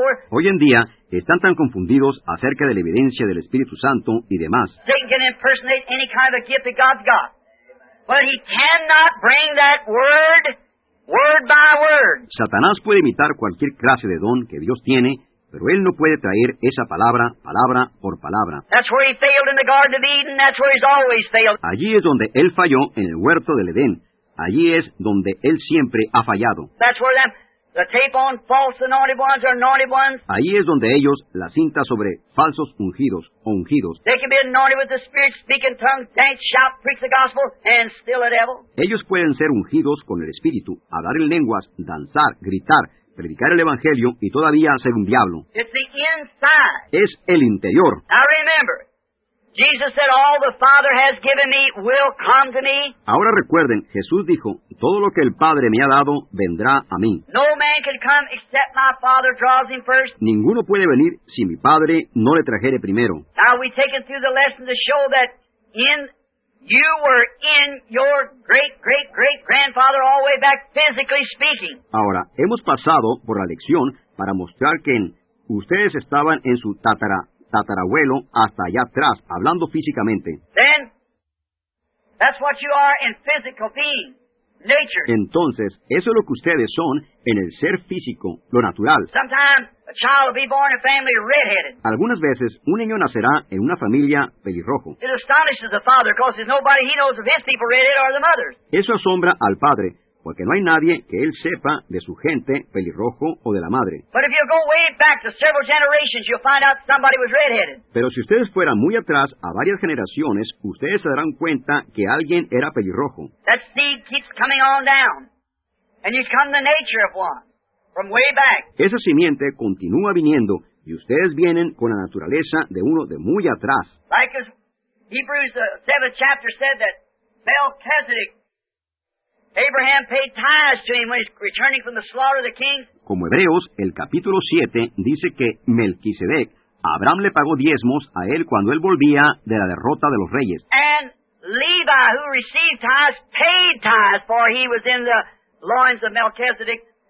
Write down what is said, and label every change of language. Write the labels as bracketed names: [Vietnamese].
[Spanish] Hoy en día están tan confundidos acerca de la evidencia del Espíritu Santo y demás. [English] Satan can impersonate any kind of gift that God's got, but he cannot bring that word. Word by word. [Spanish] Satanás puede imitar cualquier clase de don que Dios tiene, pero él no puede traer esa palabra, palabra por palabra. [English] That's where he failed in the Garden of Eden. That's where he's always failed. [Spanish] Allí es donde él falló en el huerto del Edén. Allí es donde él siempre ha fallado. [English] That's where the tape on false anointed ones are anointed ones. [Spanish] Allí es donde ellos, la cinta sobre falsos ungidos o ungidos. [English] They can be anointed with the Spirit, speak in tongues, dance, shout, preach the gospel, and still a devil. [Spanish] Ellos pueden ser ungidos con el Espíritu, hablar en lenguas, danzar, gritar, predicar el Evangelio y todavía ser un diablo. [English] It's the inside. [Spanish] Es el interior. [English] Now remember, Jesus said, all the Father has given me will come to me. [Spanish] Ahora recuerden, Jesús dijo, todo lo que el Padre me ha dado vendrá a mí. [English] No man can come except my Father draws him first. [Spanish] Ninguno puede venir si mi Padre no le trajere primero. [English] Now we take it through the lesson to show that in you were in your great, great, great grandfather all the way back, physically speaking. [Spanish] Ahora, hemos pasado por la lección para mostrar que ustedes estaban en su tatarabuelo hasta allá atrás, hablando físicamente. [English] Then, that's what you are in physical being, nature. [Spanish] Entonces, eso es lo que ustedes son en el ser físico, lo natural. [English] Sometimes a child will be born in a family redheaded. [Spanish] Algunas veces, un niño nacerá en una familia pelirrojo. [English] It astonishes the father because there's nobody he knows of his people redheaded or the mothers. [Spanish] Eso asombra al padre, porque no hay nadie que él sepa de su gente pelirrojo o de la madre. [English] But if you go way back to several generations, you'll find out somebody was redheaded. [Spanish] Pero si ustedes fueran muy atrás a varias generaciones, ustedes se darán cuenta que alguien era pelirrojo. [English] That seed keeps coming on down, and you come the nature of one. From way back. [Spanish] Esa simiente continúa viniendo, y ustedes vienen con la naturaleza de uno de muy atrás. [English] Like as Hebrews, the 7th chapter said that Melchizedek, Abraham paid tithes to him when he's returning from the slaughter of the kings. [Spanish] Como Hebreos, el capítulo 7 dice que Melquisedec, Abraham le pagó diezmos a él cuando él volvía de la derrota de los reyes. [English] And Levi, who received tithes, paid tithes, for he was in the loins of Melchizedek.